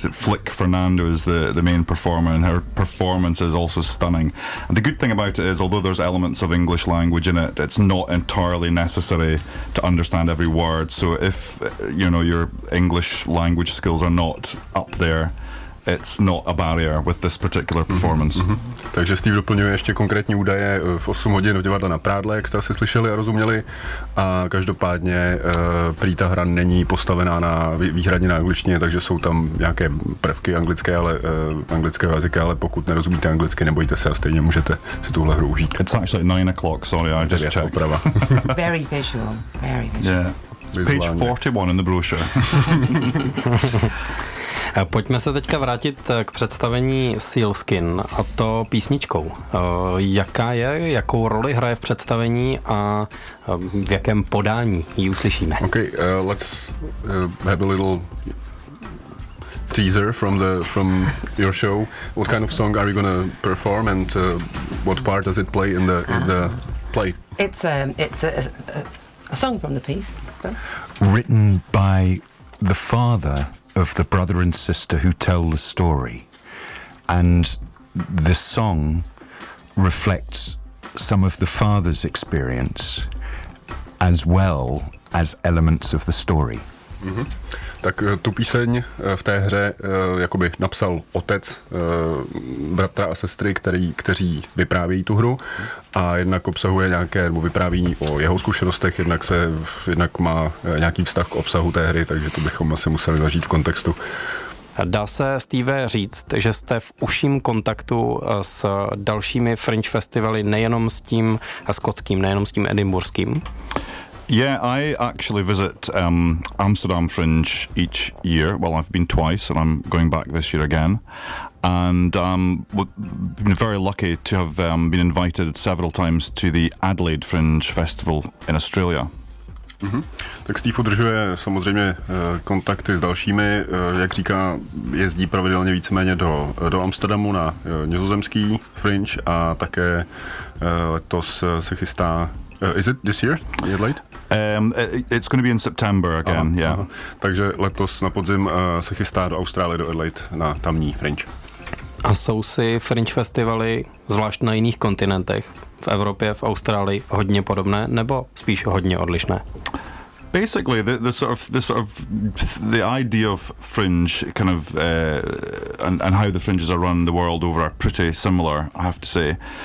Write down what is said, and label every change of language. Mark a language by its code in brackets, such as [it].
[en] Flick Fernando is the main performer, and her performance is also stunning. And the good thing about it is, although there's elements of English language in it, it's not entirely necessary to understand every word. So if you know your English language skills are not up there, it's not a barrier with this particular performance. Mm-hmm. [cs] Takže Steve doplňuje ještě konkrétní údaje v 8 hodin v Divadle na Prádle, jak jste asi slyšeli a rozuměli. A každopádně prý ta hra není postavená na výhradně na angličtině, takže jsou tam nějaké prvky anglické, ale anglického jazyka, ale pokud nerozumíte anglicky, nebojte se a stejně můžete si tuhle hru užít. [en] It's actually 9 o'clock, sorry, I just checked. Very visual, very visual. Yeah. It's page 41 in the brochure. [cs] Pojďme se teďka vrátit k představení Sealskin, a to písničkou. Jaká je, jakou roli hraje v představení a v jakém podání ji uslyšíme? [en] Okay, let's have a little teaser from your show. What kind of song are you going to perform and what part does it play in the play? It's a song from the piece. Written by the father of the brother and sister who tell the story. And the song reflects some of the father's experience as well as elements of the story. Mm-hmm. [cs] Tak tu píseň v té hře jakoby napsal otec bratra a sestry, kteří vyprávějí tu hru, a jednak obsahuje nějaké, nebo vypráví o jeho zkušenostech, jednak má nějaký vztah k obsahu té hry, takže to bychom asi museli zažít v kontextu. Dá se, Steve, říct, že jste v užším kontaktu s dalšími Fringe festivaly, nejenom s tím skotským, nejenom s tím edinburským? [en] Yeah, I actually visit Amsterdam Fringe each year. Well, I've been twice and I'm going back this year again. And been very lucky to have been invited several times to the Adelaide Fringe Festival in Australia. Mm-hmm. [cs] Tak Steve udržuje samozřejmě kontakty s dalšími. Jak říká, jezdí pravidelně víceméně do Amsterdamu na nizozemský Fringe a také letos se chystá. [en] Is it this year, Adelaide? It's going to be in September again, aha, yeah. Aha. [cs] Takže letos na podzim se chystá do Austrálie, do Adelaide, na tamní Fringe. A jsou si Fringe festivaly, zvlášť na jiných kontinentech, v Evropě, v Austrálii, hodně podobné, nebo spíš hodně odlišné? [en] Basically, the idea of Fringe, kind of, and how the Fringes are run the world over are pretty similar, I have to say.